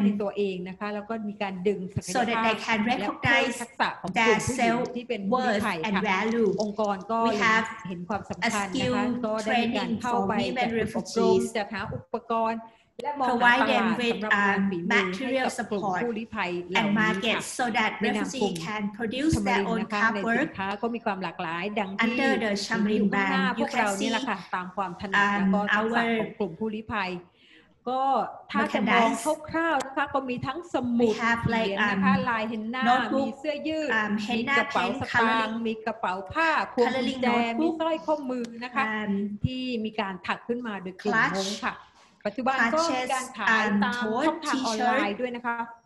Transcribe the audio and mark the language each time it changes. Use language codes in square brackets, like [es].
[th] ในตัวเองนะคะแล้วก็มีการดึงศักยภาพและ พัฒน าทักษะของกลุ่มผู้หญิงที่เป็นผู้ลี้ภัยค่ะองค์กรก็เห็นความสำคัญนะคะก็ได้มีการเข้าไปจัดอบรมจัดหาอุปกรณ์และมองหาตลาดสำหรับฝีมือให้กับกลุ่มผู้ลี้ภัยและมาร์เก็ต [en] so that refugee can produce their own artwork [th] ก็มีความหลากหลายดังที่พวกเรานี่แหละค่ะตามความถนัดก็ทักษะของกลุ่มผู้ลี้ภัยก็ถ้าจะมองคร่าวๆนะคะก็มีทั้งสมุดเขียนนะคะลายเห็นหน้ามีเสื้อยืดมีกระเป๋าสตางค์มีกระเป๋าผ้าพวงกุญแจมีสร้อยข้อมือนะคะที่มีการถักขึ้นมาโดยกลุ่มฮงค่ะปัจจุบันก็มีการขายตามช่องทางออนไลน์ด้วยนะคะ